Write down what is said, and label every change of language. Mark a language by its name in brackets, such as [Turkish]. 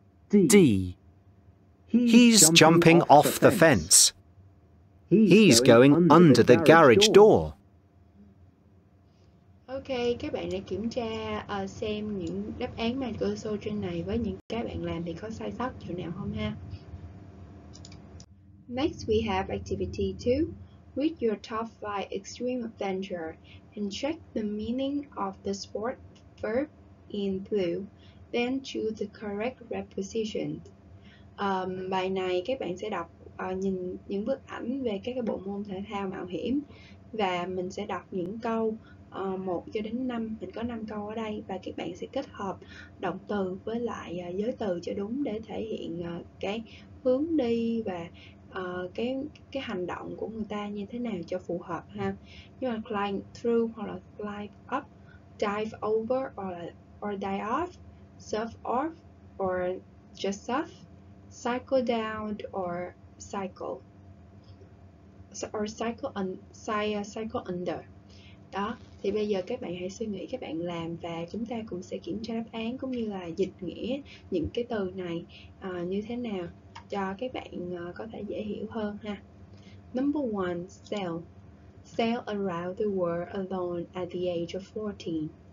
[English] D. He's jumping off the fence. He's going under the garage door. [Vietnamese] Ok, các bạn đã kiểm tra xem những đáp án mà cơ sô trên này với những cái bạn làm thì có sai sót chỗ nào không ha? [English] Next, we have activity 2. Read your top 5 extreme adventure and check the meaning of the sport verb in blue, then choose the correct reposition. [Vietnamese] Bài này các bạn sẽ đọc nhìn những bức ảnh về các cái bộ môn thể thao mạo hiểm, và mình sẽ đọc những câu 1 cho đến 5, mình có 5 câu ở đây, và các bạn sẽ kết hợp động từ với lại giới từ cho đúng để thể hiện cái hướng đi và cái hành động của người ta như thế nào cho phù hợp ha. Như là [English] climb through [Vietnamese] hoặc là [English] climb up, dive over or dive off, surf off or just surf, cycle down or cycle under. [Vietnamese] Đó, thì bây giờ các bạn hãy suy nghĩ các bạn làm, và chúng ta cùng sẽ kiểm tra đáp án cũng như là dịch nghĩa những cái từ này như thế nào cho các bạn có thể dễ hiểu hơn ha. [English] Number 1, sail. Sail around the world alone at the age of 14.